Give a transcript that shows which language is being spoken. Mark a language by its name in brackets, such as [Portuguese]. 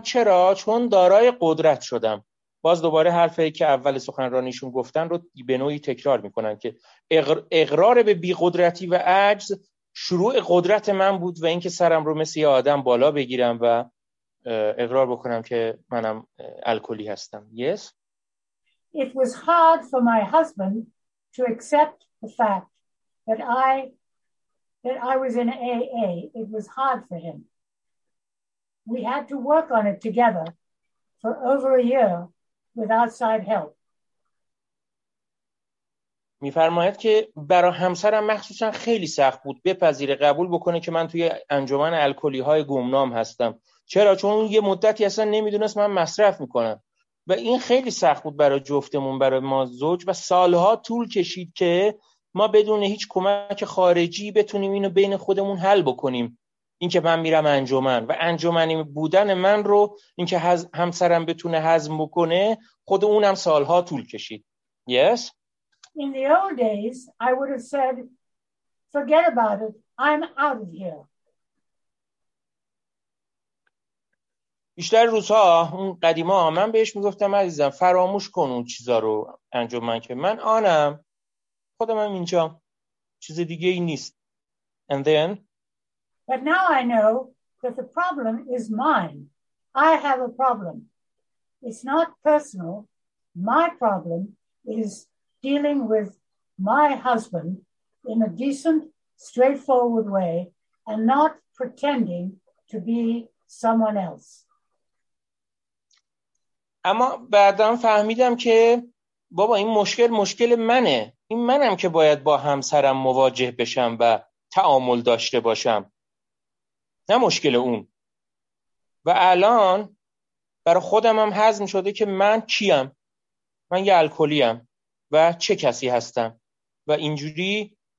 [Persian] چرا؟ چون دارای قدرت شدم. باز دوباره حرفی که اول سخنرانیشون گفتن رو به نوعی تکرار میکنن که اقرار به بیقدرتی و عجز شروع قدرت من بود و اینکه سرم رو مثل یه آدم بالا بگیرم و اقرار بکنم که منم الکلی هستم. [English] Yes. It was hard for my husband to accept the fact that I was in AA. It was hard for him. We had to work on it together for over a year with outside help. [Persian] میفرماید که برای همسرم مخصوصا خیلی سخت بود بپذیره، قبول بکنه که من توی انجمن الکلی های گمنام هستم. چرا؟ چون یه مدتی اصلا نمیدونست من مصرف میکنم و این خیلی سخت بود برای جفتمون، برای ما زوج، و سالها طول کشید که ما بدون هیچ کمک خارجی بتونیم اینو بین خودمون حل بکنیم. این که من میرم انجمن و انجمنی بودن من رو اینکه همسرم بتونه هضم بکنه، خود اونم سالها طول کشید. [English] Yes. In the old days I would have said forget about it, I'm out of here. [Persian] بیشتر روزها اون قدیما من بهش میگفتم عزیزم فراموش کن اون چیزا رو، انجمن که من آنم، خودم هم اینجا، چیز دیگه ای نیست. [English] And then But now I know that the problem is mine. I have a problem. It's not personal. My problem is dealing with my husband in a decent, straightforward way and not pretending to be someone else. [Persian] اما بعدم فهمیدم که بابا این مشکل منه. این منم که باید با همسرم مواجه بشم و تعامل داشته باشم. نه مشکل اون. و الان برای خودم هم هضم شده که من کیم، من یه الکلی‌ام و چه کسی هستم و اینجوری